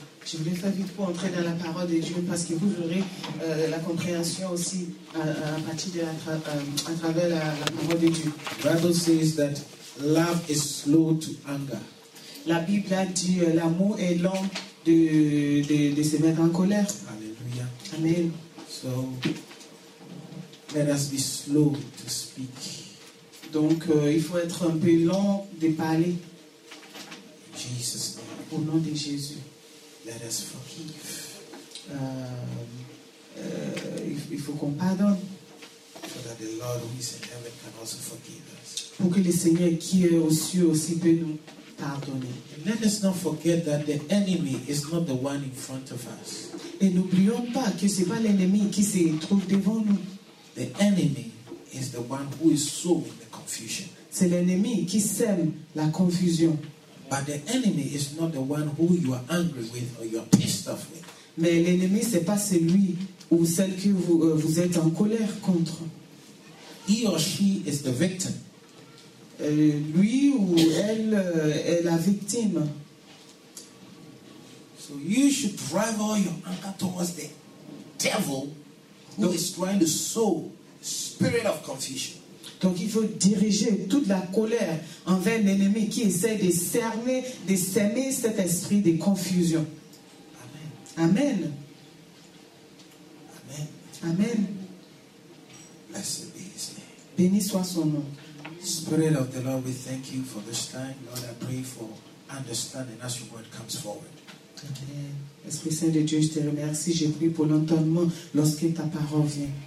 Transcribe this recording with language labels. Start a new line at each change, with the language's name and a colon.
French: Je voulais faire vite pour entrer dans la parole de Dieu parce que vous aurez la compréhension aussi à partir de à travers la parole de Dieu.
English: The Bible says that love is slow to anger.
French: La Bible a dit l'amour est lent de se mettre en colère. Alléluia. Amen.
English: So, let us be slow to speak.
French: Donc, il faut être un peu long de parler.
English: Jesus.
French: Au nom de Jésus.
English: Let us forgive.
French: Il faut qu'on pardonne.
English: So that the Lord who is in heaven can also forgive us.
French: Pour que le Seigneur qui est aux cieux aussi peut nous pardonner.
English: And let us not forget that the enemy is not the one in front of us.
French: Et n'oublions pas que c'est pas l'ennemi qui se trouve devant nous.
English: The enemy is the one who is sowing the confusion.
French: C'est l'ennemi qui sème la confusion.
English: But the enemy is not the one who you are angry with or you are pissed off with.
French: Mais l'ennemi c'est pas celui ou celle que vous êtes en colère contre.
English: He or she is the victim.
French: Lui ou elle est la victime.
English: So you should drive all your anger towards the devil who is trying to sow spirit of confusion.
French: Donc il faut diriger toute la colère envers l'ennemi qui essaie de cerner, de semer cet esprit de confusion. Amen. Amen. Amen. Amen.
English: Blessed be his name.
French: Béni soit son nom.
English: Spirit of the Lord, we thank you for this time. Lord, I pray for understanding as your word comes forward.
French: Amen. Esprit Saint de Dieu, je te remercie. Je prie pour l'entendement lorsque ta parole vient.